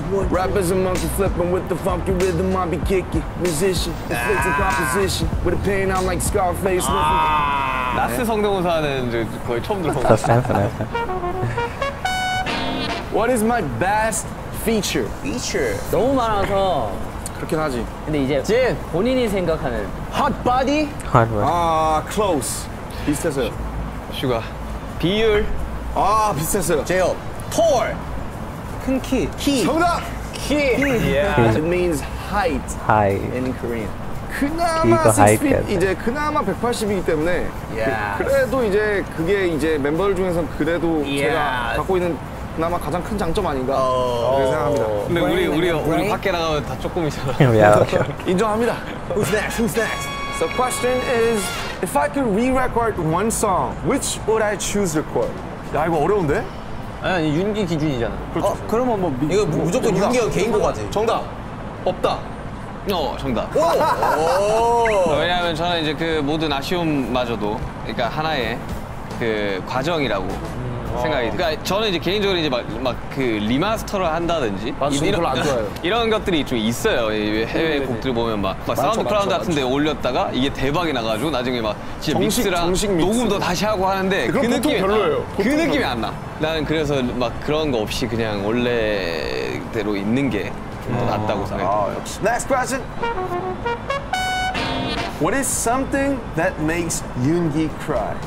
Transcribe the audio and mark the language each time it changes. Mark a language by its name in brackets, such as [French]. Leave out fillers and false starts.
[English] rap is a monkey flipping with the funky rhythm. I be kicking musician, it's a composition with a pain. I'm like Scarface. [Korean] Nas 성대모사는 거의 처음 들어봤어요. [English] What is my best feature? [Korean] Feature 너무 많아서. 그렇긴 하지. 근데 이제 지금 본인이 생각하는 [English] Hot body? Hot body. [Korean] 아, close. 비슷했어요. 슈가. 비율. 아, 비슷했어요. 제어. 톨. 큰 키. 키. 정답! 키. [English] Yeah. It means height. Height. In Korean. 그나마 6 feet. [Korean] 이제 그나마 180이기 때문에. [English] Yeah. [Korean] 그래도 이제 그게 이제 멤버들 중에서 그래도 제가 갖고 있는 나마 가장 큰 장점 아닌가 생각합니다. 근데 우리 밖에 나가면 다 조금이잖아. 미안하죠. 인정합니다. [English] Who's next? Who's next? So question is, if I could re-record one song, which would I choose to record? [Korean] 야, 이거 어려운데? 아니, 윤기 기준이잖아. 그렇죠. 그러면 뭐 이거 무조건 윤기가 개인 거 같아. 정답. 없다. 정답. 오! 왜냐하면 저는 이제 그 모든 아쉬움마저도, 그러니까 하나의 그 과정이라고. 생각이 그러니까 저는 이제 개인적으로 이제 막 그 리마스터를 한다든지 이런 것들이 좀 있어요. 해외 곡들 보면 막 사운드 클라우드 같은 데 올렸다가 이게 대박이 나가지고 나중에 막 진짜 정식 녹음도 다시 하고 하는데 그 느낌이 별로예요. 그 느낌이 안 나. 나는 그래서 막 그런 거 없이 그냥 원래대로 있는 게 좀 더 낫다고 생각해요. [English] Next question. What is something that makes Yoongi cry?